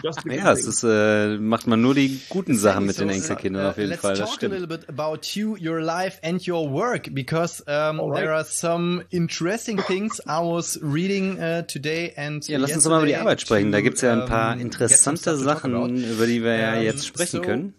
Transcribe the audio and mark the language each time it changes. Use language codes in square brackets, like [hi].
[de] Ja, es ist, macht man nur die guten Sachen mit den Enkelkindern auf jeden Fall. [en] Let's talk a little bit about you, your life and your work, because there are some interesting things I was reading today and yesterday. [de] Ja, lass uns mal über die Arbeit sprechen. Da gibt es ja ein paar interessante Sachen, über die wir ja jetzt sprechen können.